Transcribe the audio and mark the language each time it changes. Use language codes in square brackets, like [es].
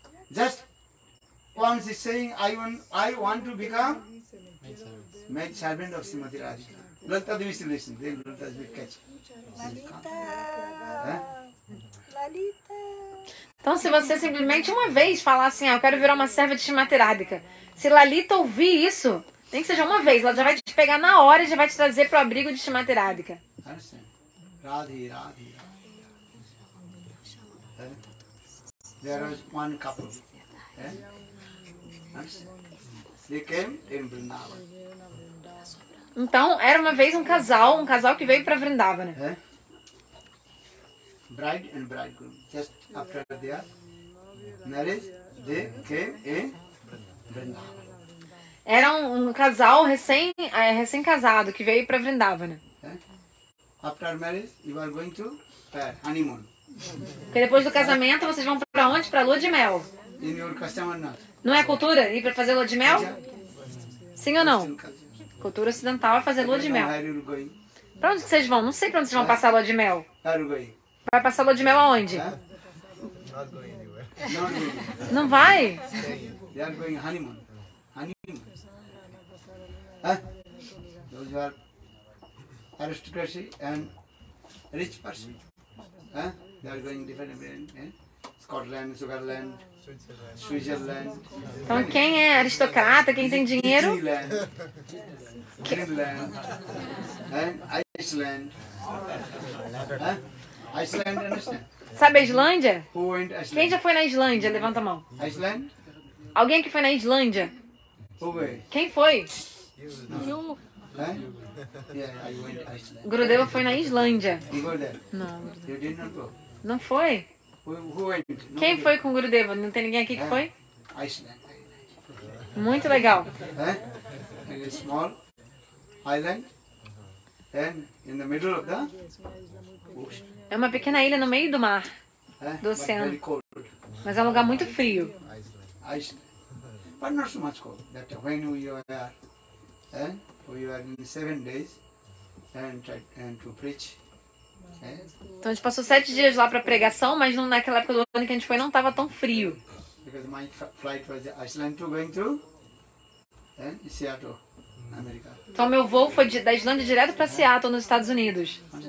[en] Just once he's saying, I want to become maid servant of Srimati Radhika. Lalita Devi is listening, then Lalita Devi catch. Lalita! [pt] Então, se você simplesmente uma vez falar assim, eu quero virar uma serva de Srimati Radhika. Se Lalita ouvir isso, nem que seja uma vez, ela já vai te pegar na hora e já vai te trazer para o abrigo de Srimati Radhika. Radhe, Radhe. [en] There was one couple. They came in Vrindavan. [pt] Então, era uma vez um casal que veio para Vrindavan, né? [en] Bride and bridegroom. Just after their marriage, they came in Vrindavan. [pt] Era um casal recém-casado que veio para Vrindavan. [en] After marriage, you are going to honeymoon. [pt] Porque depois do casamento, vocês vão para onde? Para lua de mel. [en] In your custom or not? [pt] Não é cultura ir para fazer lua de mel? Sim ou não? Cultura ocidental é fazer lua de mel. Para onde vocês vão? Não sei para onde vocês vão passar lua de mel. [en] Uruguay. [pt] Vai passar lua de mel aonde? Não vai? [en] They are going honeymoon. Honeymoon. Those who are aristocracy and rich person. They are going different. Scotland, Switzerland. Switzerland. [pt] Então quem é aristocrata, quem tem dinheiro? [en] Greenland. And Iceland. Iceland, understand? [pt] Sabe a Islândia? [en] Who went Iceland? [pt] Quem já foi na Islândia? Levanta a mão. [en] Iceland? [pt] Alguém que foi na Islândia? [en] Who went? [pt] Quem foi? [en] You. Yeah, I went Iceland. [pt] Gurudeva foi na Islândia. [en] You go there? [pt] Não. [en] You did not go? [pt] Não foi? [en] Who went? Nobody. [pt] Quem foi com Gurudeva? Não tem ninguém aqui que foi? [en] Iceland. [pt] Muito legal. [en] In a small island. And in the middle of the ocean. [pt] É uma pequena ilha no meio do mar, do oceano. Mas é um lugar muito frio. [en] but not so much cold. That when you are, we are in 7 days, and to preach. [pt] Então a gente passou 7 dias lá para pregação, mas naquela época do ano que a gente foi não estava tão frio. [en] Because my flight was Iceland to going through, and Seattle, America. [pt] Então meu voo foi da Islândia direto para Seattle, nos Estados Unidos.